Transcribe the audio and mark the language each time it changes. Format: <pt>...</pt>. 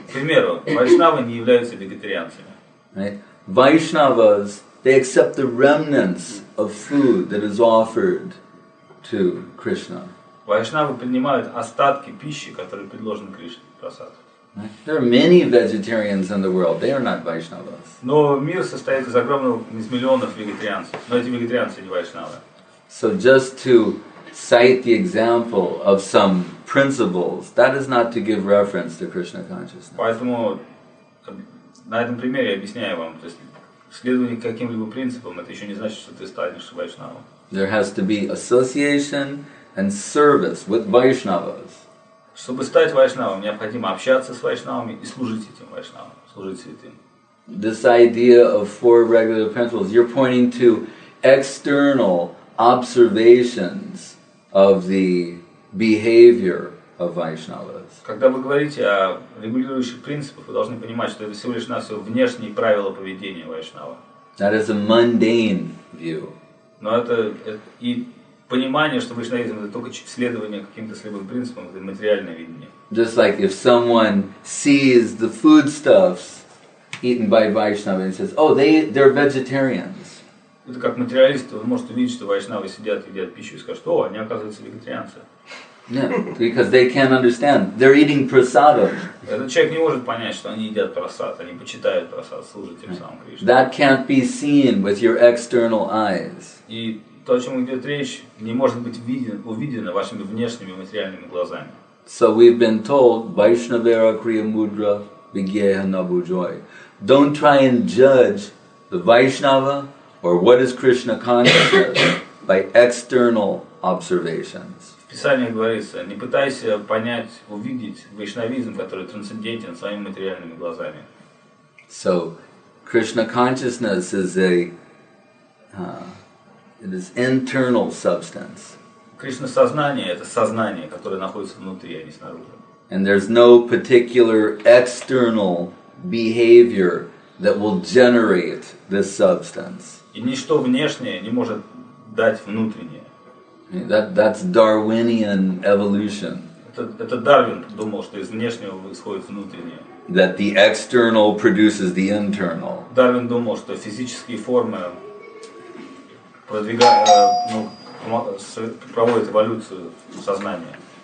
<ru>К примеру, вайшнавы не являются вегетарианцами.</ru> <en>Vaishnavas, they accept the remnants of food that is offered to Krishna.</en> <ru>Vaishnavas принимают остатки пищи, которые предложены Кришне, прасад.</ru> <en>There are many vegetarians in the world. They are not Vaishnavas.</en> <ru>Но мир состоит из миллионов вегетарианцев. Но эти вегетарианцы не вайшнавы.</ru> <en>So just to cite the example of some principles, that is not to give reference to Krishna consciousness.</en> <ru>Поэтому на этом примере я объясняю вам, то есть следование каким-либо принципам, это еще не значит, что ты станешь вайшнавом.</ru> <en>There has to be association and service with Vaishnavas.</en> <ru>Чтобы стать вайшнавом, необходимо общаться с вайшнавами и служить этим вайшнавам, служить святым.</ru> <en>This idea of four regular principles, you're pointing to external observations of the behavior of Vaishnavas.</en> <ru>Когда вы говорите о регулирующих принципах, вы должны понимать, что это всего лишь навсего внешние правила поведения вайшнава.</ru> <en>That is a mundane view.</en> <ru>Но это и понимание, что вайшнавизм это только следование каким-то слепым принципам, это материальное видение.</ru> <en>Just like if someone sees the foodstuffs eaten by Vaishnava and says, oh, they're vegetarians.</en> <ru>Это как материалист, он может увидеть, что вайшнавы сидят, едят пищу и скажут, о, они оказываются вегетарианцы.</ru> <en>Yeah, because they can't understand. They're eating prasada.</en> <ru>Этот человек не может понять, что они едят прасад, они почитают прасад, служат тем самым Кришне.</ru> <en>That can't be seen with your external eyes.</en> <ru>И то, о чем идет речь, не может быть увидено вашими внешними материальными глазами.</ru> <en>So we've been told,</en> <bn>Vaishnavara Kriya Mudra, Vigyeha Nabu Joy.</bn> <en>Don't try and judge the Vaishnava or what is Krishna consciousness by external observations.</en> <ru>В Писании говорится, не пытайся понять, увидеть вайшнавизм, который трансцендентен своими материальными глазами.</ru> <en>So, Krishna consciousness is a it is internal substance.</en> <ru>Кришна сознание это сознание, которое находится внутри, а не снаружи.</ru> <en>And there's no particular external behavior that will generate this substance.</en> <ru>И ничто внешнее не может дать внутреннее.</ru> <en>That's Darwinian evolution.</en> <ru>Это Дарвин думал, что из внешнего исходит внутреннее.</ru> <en>That the external produces the internal.</en> <ru>Дарвин думал, что физические формы проводят эволюцию сознания.</ru>